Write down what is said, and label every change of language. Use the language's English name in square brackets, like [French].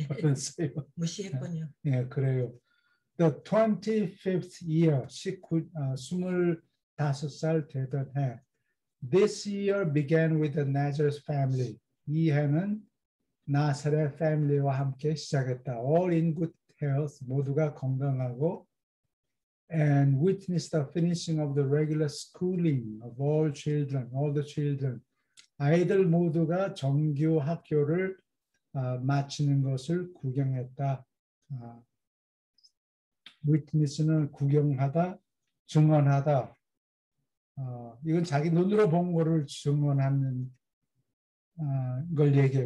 [Korean] 보였어요. 무시했군요. 네, 그래요. [English] The 25th year, [Korean] 25살 되던 해. [English] This year began with the Nazareth family. [Korean] 이 해는 나사렛 패밀리와 함께 시작했다. [English] All in good health, [Korean] 모두가 건강하고 [English] and witnessed the finishing of the regular schooling of all the children. [Korean] 아이들 모두가 정규 학교를 마치는 것을 구경했다. Witness는 구경하다, 증언하다. 이건 자기 눈으로 본 거를 증언하는 걸 얘기해.